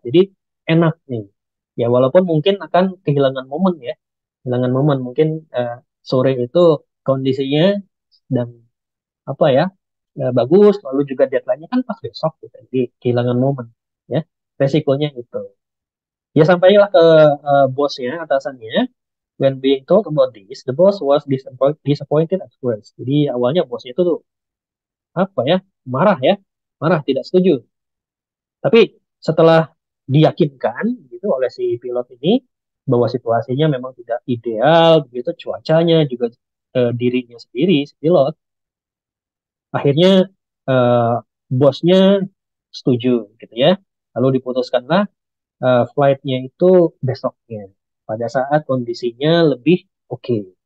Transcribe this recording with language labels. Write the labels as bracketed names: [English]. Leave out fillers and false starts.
[Indonesian] Jadi enak nih. Ya, walaupun mungkin akan kehilangan momen ya. Kehilangan momen mungkin sore itu kondisinya dan apa ya? Bagus, lalu juga deadline-nya kan pas besok gitu. Jadi kehilangan momen ya. Resikonya itu. Ya sampailah ke bosnya, atasannya. [English] When being told about this, the boss was disappointed at first. [Indonesian] Jadi awalnya bosnya itu tuh apa ya? Marah ya. Marah, tidak setuju. Tapi setelah diyakinkan gitu oleh si pilot ini bahwa situasinya memang tidak ideal begitu cuacanya juga dirinya sendiri si pilot akhirnya bosnya setuju gitu ya lalu diputuskanlah flightnya itu besoknya pada saat kondisinya lebih oke.